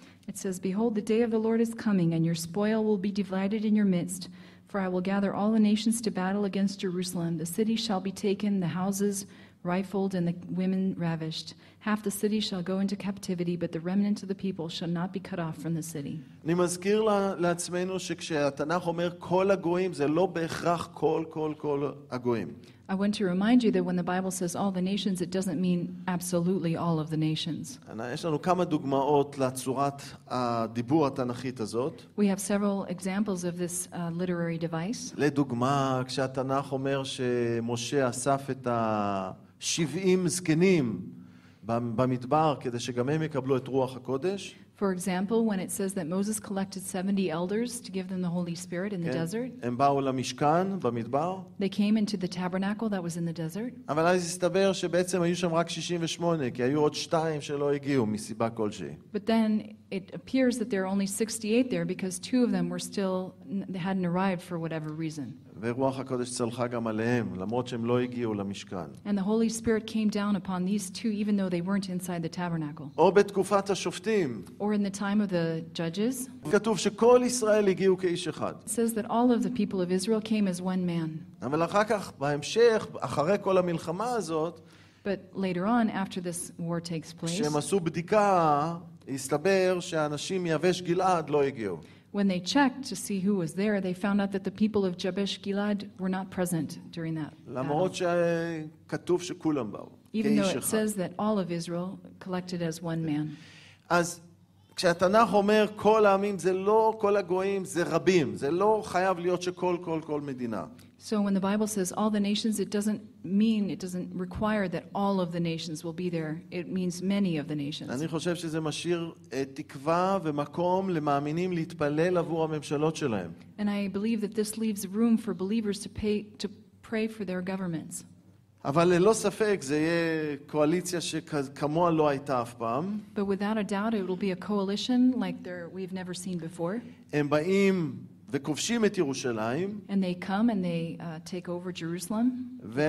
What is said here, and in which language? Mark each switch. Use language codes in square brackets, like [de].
[en] It says, Behold, the day of the Lord is coming, and your spoil will be divided in your midst. For I will gather all the nations to battle against Jerusalem. The city shall be taken, the houses rifled, and the women ravished. Half the city shall go into captivity, but the remnant of the people shall not be cut off from the city. [he] אני מזכיר לעצמנו שכשהתנך אומר כל הגויים, זה לא בהכרח כל הגויים. [en] I want to remind you that when the Bible says all the nations, it doesn't mean absolutely all of the nations. [he] יש לנו כמה דוגמאות לצורת הדיבור התנכית הזאת. [en] We have several examples of this literary device. [he] לדוגמה, כשהתנך אומר שמשה אסף את ה-70 זקנים במדבר כדי שגם הם יקבלו את רוח הקודש. [en] For example, when it says that Moses collected 70 elders to give them the Holy Spirit in the desert, [he] הם באו למשכן במדבר. [en] They came into the tabernacle that was in the desert. [he] אבל אז הסתבר שבעצם היו שם רק 68, כי היו עוד 2 שלא הגיעו מסיבה כלשהי. [en] But then it appears that there are only 68 there because 2 of them were still they hadn't arrived for whatever reason. [he] ורוח הקודש צלחה גם עליהם, למרות שהם לא הגיעו למשכן. [en] And the Holy Spirit came down upon these 2 even though they weren't inside the tabernacle. [he] או בתקופת השופטים. [en] Or in the time of the judges. [he] כתוב שכל ישראל הגיעו כאיש אחד. [en] It says that all of the people of Israel came as one man. [he] אבל אחר כך, בהמשך, אחרי כל המלחמה הזאת, [en] But later on, after this war takes place, [he] כשהם עשו בדיקה, הסתבר שאנשים מיבש גלעד לא הגיעו. [en] When they checked to see who was there, they found out that the people of Jabesh Gilad were not present during that battle. [he] למרות שכתוב שכולם באו. [en] Even though it says that all of Israel collected as one man. [he] אז כשהתנך אומר כל העמים, זה לא כל הגויים, זה רבים. זה לא חייב להיות שכל מדינה. [en] So when the Bible says all the nations, it doesn't mean, it doesn't require that all of the nations will be there. It means many of the nations. [he] אני חושב שזה משאיר תקווה ומקום למאמינים להתפלל עבור הממשלות שלהם. [en] And I believe that this leaves room for believers to pray for their governments. [he] אבל ללא ספק זה יהיה קואליציה שכמוה לא הייתה אף פעם. [en] But without a doubt, it will be a coalition like we've never seen before. [he] הם באים וכובשים את ירושלים. [en] And they come and they take over Jerusalem.